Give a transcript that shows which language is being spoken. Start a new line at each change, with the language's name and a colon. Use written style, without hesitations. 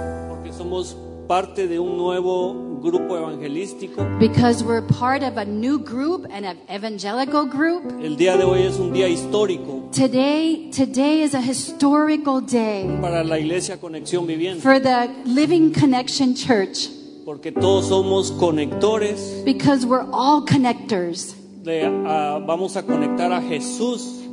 Spanish: Porque somos parte de un nuevo grupo evangelístico.
English: Because we're part of a new group and an evangelical group.
Spanish: El día de hoy es un día histórico.
English: Today is a historical day.
Spanish: Para la Iglesia Conexión Viviente.
English: For the Living Connection Church.
Spanish: Porque todos somos conectores.
English: Because we're all connectors.
Spanish: Vamos a conectar a Jesús.